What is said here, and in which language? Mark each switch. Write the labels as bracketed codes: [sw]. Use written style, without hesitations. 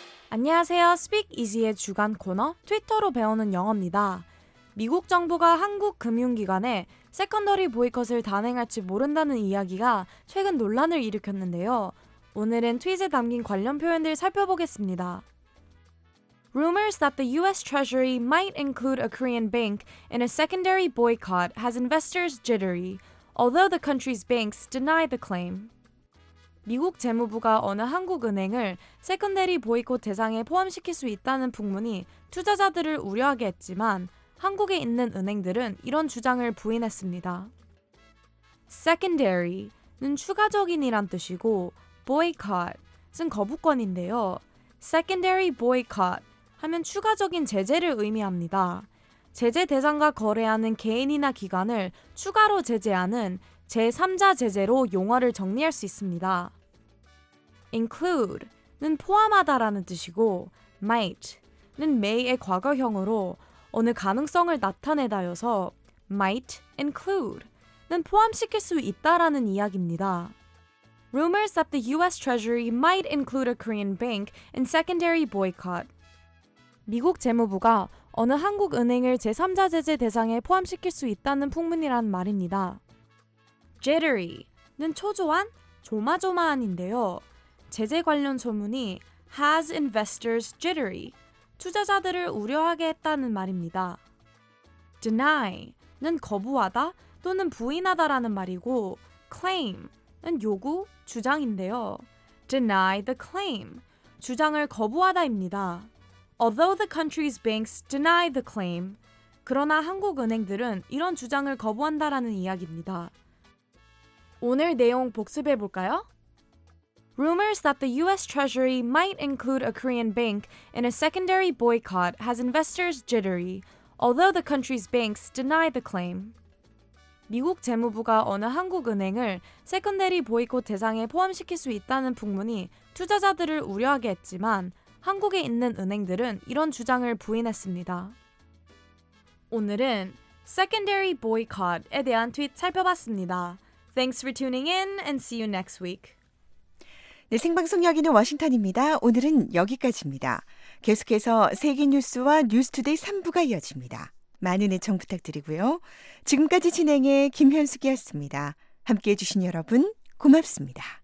[ko] 안녕하세요. Speak Easy의 주간 코너 트위터로 배우는 영어입니다. 미국 정부가 한국 금융기관에 세컨더리 보이콧을 단행할지 모른다는 이야기가 최근 논란을 일으켰는데요. 오늘은 트윗에 담긴 관련 표현들 살펴보겠습니다. [en] Rumors that the US Treasury might include a Korean bank in a secondary boycott has investors jittery, although the country's banks deny the claim. [ko] 미국 재무부가 어느 한국은행을 세컨더리 보이콧 대상에 포함시킬 수 있다는 풍문이 투자자들을 우려하게 했지만 한국에 있는 은행들은 이런 주장을 부인했습니다. Secondary는 추가적인이란 뜻이고 boycott은 거부권인데요. Secondary boycott 하면 추가적인 제재를 의미합니다. 제재 대상과 거래하는 개인이나 기관을 추가로 제재하는 제3자 제재로 용어를 정리할 수 있습니다. include는 포함하다라는 뜻이고 might는 may의 과거형으로 어느 가능성을 나타내다여서 might include는 포함시킬 수 있다라는 이야기입니다. [en] Rumors that the US Treasury might include a Korean bank in secondary boycott. [ko] 미국 재무부가 어느 한국 은행을 제3자 제재 대상에 포함시킬 수 있다는 풍문이란 말입니다. Jittery는 초조한, 조마조마한인데요. 제재 관련 소문이 [en] has investors jittery, [ko] 투자자들을 우려하게 했다는 말입니다. deny는 거부하다 또는 부인하다라는 말이고 claim은 요구, 주장인데요. [en] deny the claim, [ko] 주장을 거부하다입니다. [en] although the country's banks deny the claim, [ko] 그러나 한국 은행들은 이런 주장을 거부한다라는 이야기입니다. 오늘 내용 복습해 볼까요? [en] Rumors that the US Treasury might include a Korean bank in a secondary boycott has investors jittery, although the country's banks deny the claim. [ko] 미국 재무부가 어느 한국 은행을 세컨더리 보이콧 대상에 포함시킬 수 있다는 풍문이 투자자들을 우려하게 했지만 한국에 있는 은행들은 이런 주장을 부인했습니다. 오늘은 secondary boycott에 대한 트윗 살펴봤습니다. [en] Thanks for tuning in and see you next week. [ko] 네, 생방송 여기는 워싱턴입니다. 오늘은 여기까지입니다. 계속해서 세계 뉴스와 뉴스 투데이 3부가 이어집니다. 많은 애청 부탁드리고요. 지금까지 진행해 김현숙이었습니다. 함께해 주신 여러분 고맙습니다.